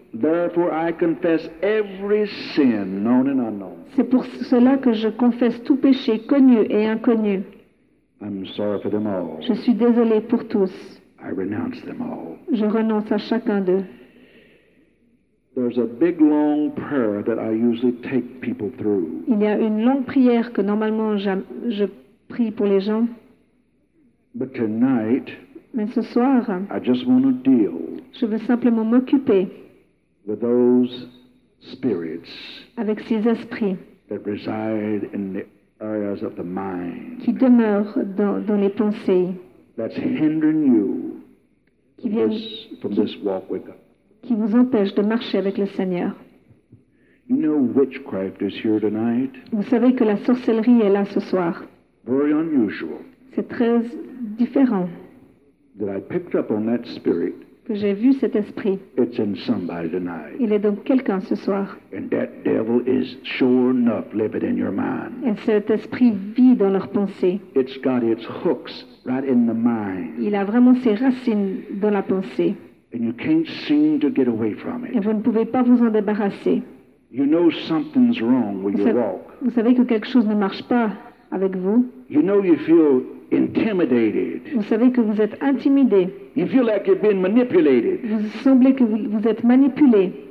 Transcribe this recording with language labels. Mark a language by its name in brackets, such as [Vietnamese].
[English] Therefore, I confess every sin, known and unknown. [French] C'est pour cela que je confesse tout péché connu et inconnu. [English] I'm sorry for them all. [French] Je suis désolé pour tous. [English] I renounce them all. [French] Je renonce à chacun d'eux. [English] There's a big long prayer that I usually take people through. [French] Il y a une longue prière que normalement je prie pour les gens. [English] But tonight, [French] mais ce soir, [English] I just want to deal. [French] Je veux simplement m'occuper. [English] With those spirits [French] avec ces esprits [English] that reside in the areas of the mind [French] qui demeurent dans les pensées [English] that's hindering you [French] qui viennent, [English] from this walk with God [French] qui vous empêche de marcher avec le Seigneur. [English] You know witchcraft is here tonight. [French] Vous savez que la sorcellerie est là ce soir. [English] Very unusual. [French] C'est très différent. [English] That I picked up on that spirit. [French] Que j'ai vu cet esprit. [English] It's in somebody tonight. [French] Il est donc quelqu'un ce soir. [English] And that devil is sure enough living in your mind. [French] Et cet esprit vit dans leurs pensées. [English] It's got its hooks right in the mind. [French] Il a vraiment ses racines dans la pensée. [English] And you can't seem to get away from it. [French] Et vous ne pouvez pas vous en débarrasser. [English] You know something's wrong with your walk. [French] Vous savez que quelque chose ne marche pas avec vous. [English] You know you feel intimidated. [French] Vous savez que vous êtes intimidé. [English] You feel like you're being manipulated. [French] Vous semblez que vous êtes manipulé.